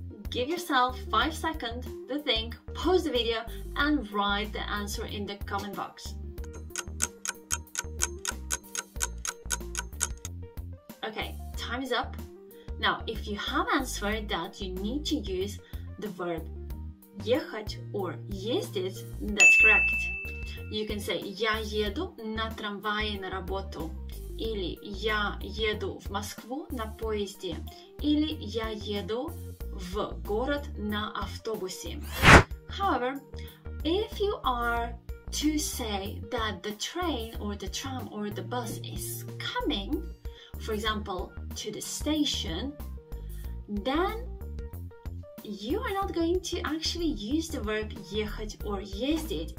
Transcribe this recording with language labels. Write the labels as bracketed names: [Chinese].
[English] Give yourself 5 seconds to think, pause the video, and write the answer in the comment box. Okay, time is up. Now, if you have answered that you need to use the verb ехать or ездить, that's correct. You can say [Russian] я еду на трамвае на работу, или я еду в Москву на поезде, или я еду в город на автобусе. [English] However, if you are to say that the train or the tram or the bus is coming, for example, to the station, then you are not going to actually use the verb ехать or ездить.